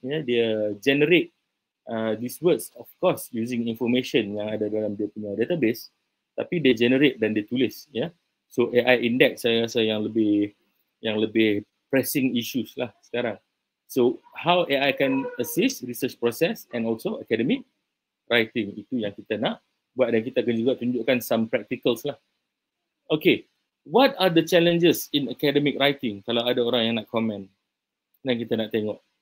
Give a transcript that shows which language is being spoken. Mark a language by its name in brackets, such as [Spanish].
[English] Yeah, dia generate these words, of course, using information [Malay] yang ada dalam dia punya [English] database. [Malay] Tapi dia generate dan dia tulis. Yeah. So AI index saya rasa yang lebih [English] pressing issues [Malay] lah sekarang. [English] So how AI can assist research process and also academic writing. [Malay] Itu yang kita nak buat dan kita akan juga tunjukkan [English] some practicals [Malay] lah. [English] Okay, what are the challenges in academic writing? [Malay] Kalau ada orang yang nak komen dan kita nak tengok.